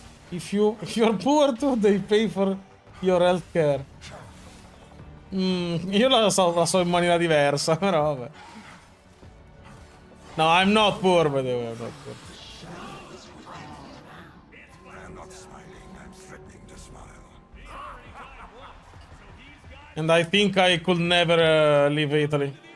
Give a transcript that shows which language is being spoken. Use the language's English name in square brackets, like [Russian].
[English] If you're poor too, they pay for your healthcare. [Italian] Io la so in maniera diversa, però vabbè. [English] No, I'm not poor, by the way, I'm not poor. And I think I could never leave Italy.